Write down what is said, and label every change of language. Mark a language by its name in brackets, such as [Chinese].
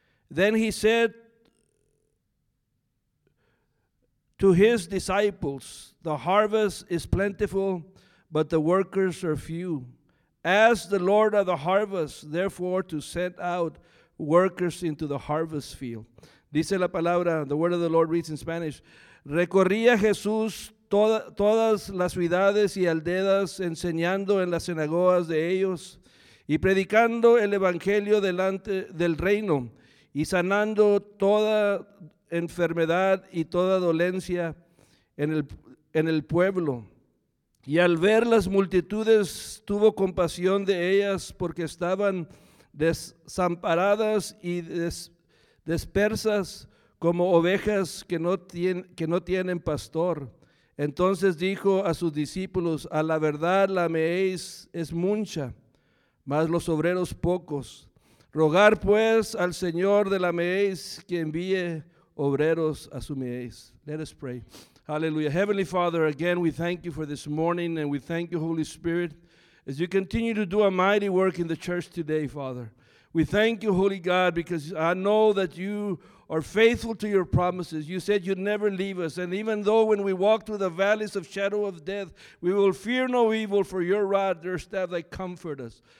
[English] Then he said to his disciples, the harvest is plentiful, but the workers are few. Ask the Lord of the harvest, therefore, to send out workers into the harvest field. [Spanish] Dice la palabra, [English] the word of the Lord reads in Spanish. [Spanish] Recorría Jesús todas las ciudades y aldeas, enseñando en las sinagogas de ellos, y predicando el evangelio delante del reino, y sanando toda enfermedad y toda dolencia en el pueblo. Y al ver las multitudes, tuvo compasión de ellas, porque estaban desamparadas y dispersas como ovejas que no tienen pastor. Entonces dijo a sus discípulos, a la verdad la mies es mucha, mas los obreros pocos. Rogar pues al Señor de la mies que envíe obreros a su mies. [English] Let us pray. Hallelujah. Heavenly Father, again, we thank you for this morning, and we thank you, Holy Spirit, as you continue to do a mighty work in the church today, Father. We thank you, Holy God, because I know that you are faithful to your promises. You said you'd never leave us. And even though when we walk through the valleys of shadow of death, we will fear no evil, for your rod, your staff, they comfort us.